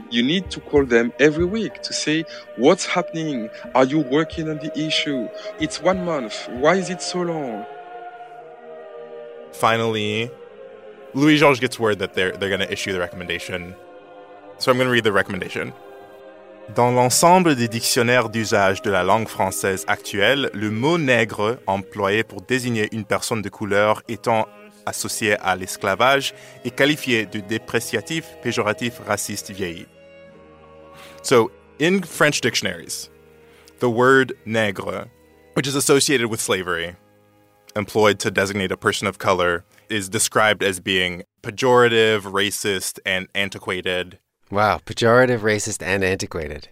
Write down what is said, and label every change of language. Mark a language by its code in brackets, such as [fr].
[en] You need to call them every week to say, what's happening? Are you working on the issue? It's 1 month. Why is it so long? Finally, Louis Georges gets word that they're going to issue the recommendation. So I'm going to read the recommendation. [fr] Dans l'ensemble des dictionnaires d'usage de la langue française actuelle, le mot « nègre » employé pour désigner une personne de couleur étant associé à l'esclavage est qualifié de dépréciatif, péjoratif, raciste, vieilli. [en] So, in French dictionaries, the word « nègre », which is associated with slavery, employed to designate a person of color, is described as being pejorative, racist, and antiquated. Wow, pejorative, racist, and antiquated.